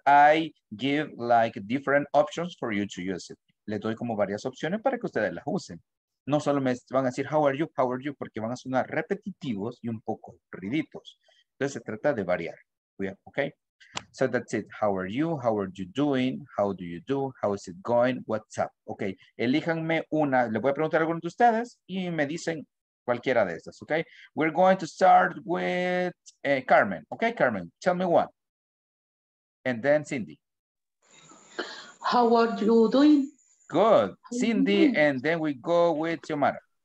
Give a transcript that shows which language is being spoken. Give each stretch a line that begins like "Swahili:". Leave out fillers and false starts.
English: I give like different options for you to use it.
Spanish: Le doy como varias opciones para que ustedes las usen. No solo me van a decir,
English: how are you,
Spanish: porque van a sonar repetitivos y un poco ruiditos. Entonces se trata de variar. Okay,
English: so that's it. How are you doing, how do you do, how is it going, what's up.
Spanish: Okay, elíjanme una, le voy a preguntar a alguno de ustedes y me dicen cualquiera de estas, okay.
English: We're going to start with Carmen. Okay, Carmen, tell me one. And then Cindy. How are you doing? Good. Cindy, and then we go with Xiomara.